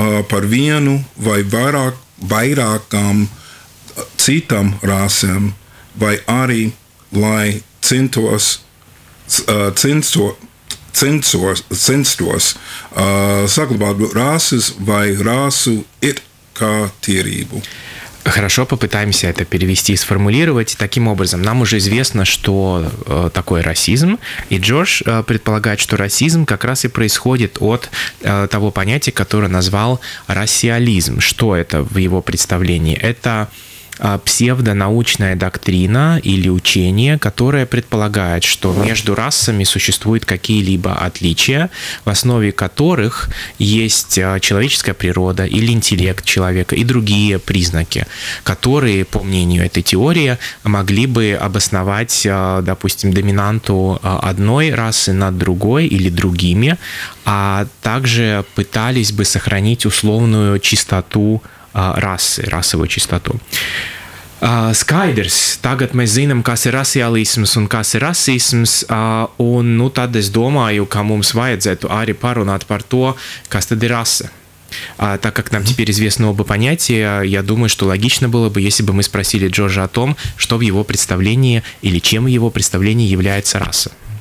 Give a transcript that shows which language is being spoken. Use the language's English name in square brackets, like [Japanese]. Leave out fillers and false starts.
[Latvian] par vienu vai vairākām citām rasēm, vai arī lai censtos saglabāt rases vai rasu it kā tīrību. [Russian] Хорошо, попытаемся это перевести и сформулировать. Таким образом, нам уже известно, что такое расизм, и Джордж предполагает, что расизм как раз и происходит от того понятия, которое назвал расиализм. Что это в его представлении? Это псевдонаучная доктрина или учение, которое предполагает, что между расами существуют какие-либо отличия, в основе которых есть человеческая природа или интеллект человека и другие признаки, которые, по мнению этой теории, могли бы обосновать, допустим, доминанту одной расы над другой или другими, а также пытались бы сохранить условную чистоту расы, расовую чистоту. [Latvian] Skaidrs, tagad mēs zinām, kas ir rasiālisms un kas ir rasisms, un nu tad es domāju, ka mums vajadzētu arī parunāt par to, kas tad ir rase. [Russian] А так как нам теперь известны оба понятия, я думаю, что логично было бы, если бы мы спросили Джорджа о том, что в его представлении или чем в его представлении является раса.